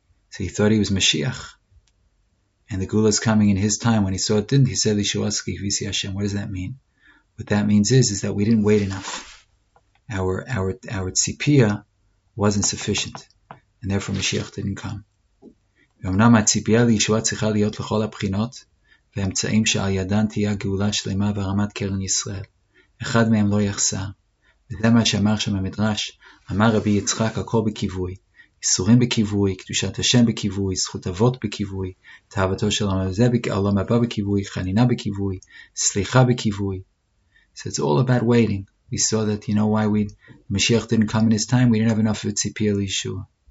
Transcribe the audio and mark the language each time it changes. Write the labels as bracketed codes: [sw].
[en] So he thought he was Mashiach. And the Gula is coming in his time. When he saw it, didn't he say, [he] Lishuaski Visi Hashem? [en] What does that mean? What that means is that we didn't wait enough. Our tzipia wasn't sufficient. And therefore Mashiach didn't come. [he] Yomnam ha-tzipia li-Yishua tzicha liyot l'chol ha-bchinot, והאמצעים שעל ידן תהיה גאולה שלמה ברמת קרן ישראל. אחד מהם לא יחסר. וזה מה שאמר שם המדרש, אמר רבי יצחק, הכל בכיווי. איסורים בכיווי, קדושת השם בכיווי, זכות אבות בכיווי, תאוותו של העולם הבא בכיווי, חנינה בכיווי, סליחה בכיווי. [en] So it's all about waiting. We saw that, you know why we, Mashiach didn't come in his time, we didn't have enough of a [he] ציפייה לישוע.